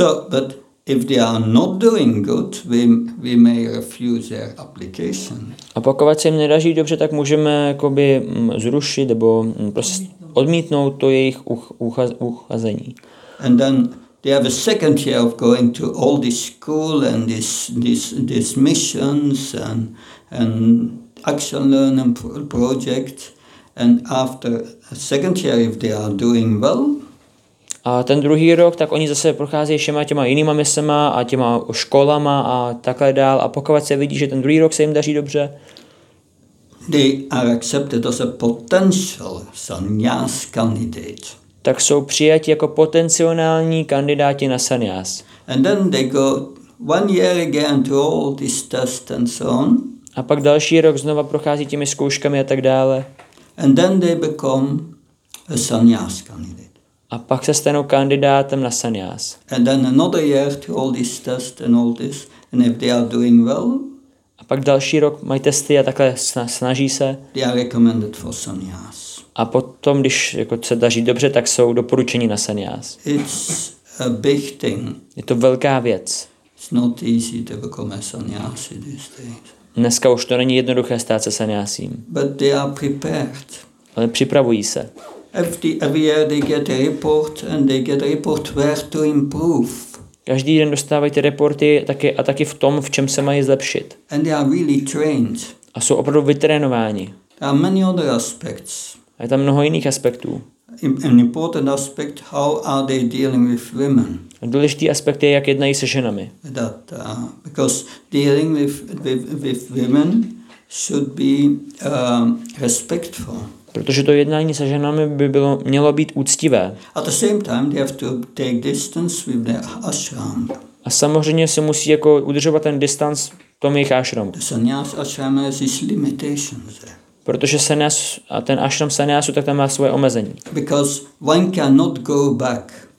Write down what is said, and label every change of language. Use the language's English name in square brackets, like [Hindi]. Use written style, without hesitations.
[English] But if they are not doing good, we may refuse their application. [Czech] A pokud se jim nedaří dobře, tak můžeme jakoby zrušit nebo odmítnout to jejich uchazení. [English] And then they have a second year of going to all this school and this missions and action learn and project, and after a second year if they are doing well. [Czech] A ten druhý rok, tak oni zase prochází všema těma jinýma misema a těma školama a takhle dál. A pokud se vidí, že ten druhý rok se jim daří dobře. [English] They are accepted as a potential sannyas candidate. [Czech] Tak jsou přijati jako potenciální kandidáti na sannyas. [English] And then they go 1 year again to all these tests and so on. [Czech] A pak další rok znova prochází těmi zkouškami a tak dále. [English] And then they become a sannyas candidate. [Czech] A pak se stanou kandidátem na sannyas. [English] And then another year to all these tests and all this, and if they are doing well. [Czech] A pak další rok mají testy a takhle snaží se. [English] They are recommended for sannyas. [Czech] A potom, když jako se daří dobře, tak jsou doporučeni na sannyas. [English] It's a big thing. [Czech] Je to velká věc. [English] It's not easy to become a sannyasi these days. [Czech] Dneska už to není jednoduché stát se sannyasím. [English] But they are prepared. [Czech] Ale připravují se. [English] Every year they get a report and they get a report where to improve. [Czech] Každý den dostávají ty reporty taky a taky v tom, v čem se mají zlepšit. [English] And they are really trained. [Czech] A jsou opravdu vytrénováni. [English] There are many other aspects. [Czech] A je tam mnoho jiných aspektů. [English] An important aspect, how are they dealing with women? [Czech] A důležitý aspekt je, jak jednají se ženami. [English] That, because dealing with women should be respectful. [Czech] Protože to jednání se ženami by bylo mělo být úctivé. [English] At the same time they have to take distance with their ashram. [Czech] A samozřejmě se musí jako udržovat ten distance v tom jejich ashram. [English] The sannyas ashram has its limitations. [Czech] Protože sannyas a ten ashram sannyasu tak tam má svoje omezení. [English] Because one cannot go back.